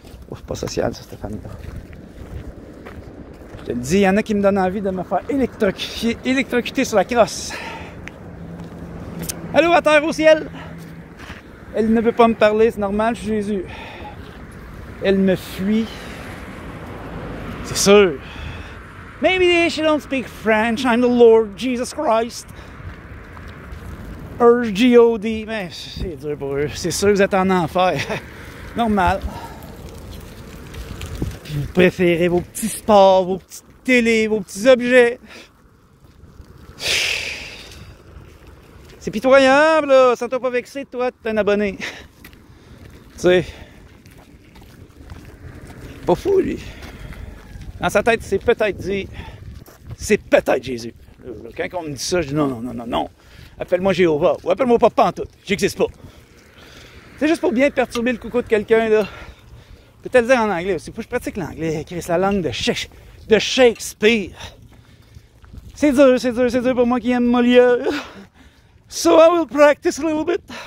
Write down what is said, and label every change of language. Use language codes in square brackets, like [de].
[fr] Ouf, pas social, ça, cette femme-là. Je te le dis, il y en a qui me donnent envie de me faire électrocuter sur la crosse. Allô, à terre, au ciel! Elle ne veut pas me parler, c'est normal, je suis Jésus. Elle me fuit. C'est sûr. [en] Maybe she don't speak French. I'm the Lord Jesus Christ. [fr] R-G-O-D. Mais c'est dur pour eux. C'est sûr que vous êtes en enfer. Normal. Vous préférez vos petits sports, vos petites télés, vos petits objets. C'est pitoyable, là. Sens-toi pas vexé, toi, t'es un abonné. Tu sais. Pas fou, lui. Dans sa tête, c'est peut-être dit. C'est peut-être Jésus. Quand on me dit ça, je dis non. Appelle-moi Jéhovah. Ou appelle-moi pas Pantoute. J'existe pas. C'est juste pour bien perturber le coucou de quelqu'un, là. Peut-être le dire en anglais aussi. Faut que je pratique l'anglais. C'est la langue de Shakespeare. C'est dur pour moi qui aime Molière. [en] So I will practice a little bit.